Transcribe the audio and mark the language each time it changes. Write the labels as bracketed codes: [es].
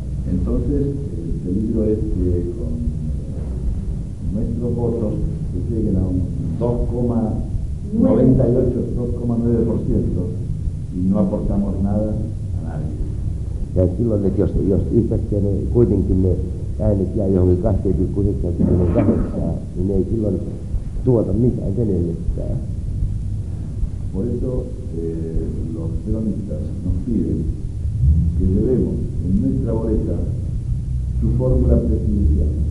[es] Entonces, el peligro es que con nuestros votos se lleguen a un 2,98% [fi] Ja silloin, että jos yhtäkkiä ne kuitenkin ne äänet jää johonkin 2,78, niin ne ei silloin tuota mitään kenellekään. [es] Por eso los peronistas nos piden que llevemos en nuestra boleta su fórmula presidencial.